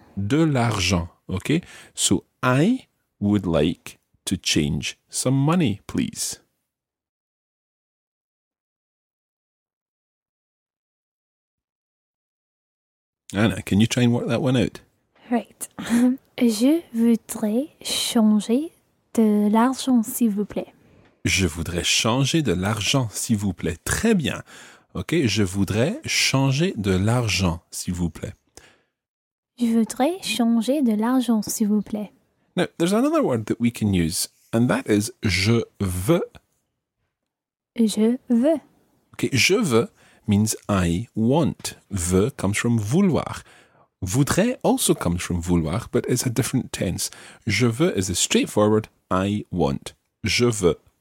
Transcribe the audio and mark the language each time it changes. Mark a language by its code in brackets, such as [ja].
[fr] De l'argent, okay. [en] So I would like to change some money, please. Anna, can you try and work that one out? Right. [fr] Je voudrais changer de l'argent, s'il vous plaît. Je voudrais changer de l'argent, s'il vous plaît. Très bien. Ok, je voudrais changer de l'argent, s'il vous plaît. Je voudrais changer de l'argent, s'il vous plaît. [en] Now, there's another word that we can use. And that is [fr] je veux. Je veux. [en] Okay, [fr] je veux [en] means I want. Veux comes from vouloir. Voudrais also comes from vouloir, but it's a different tense. [fr] Je veux [en] is a straightforward I want. Je veux.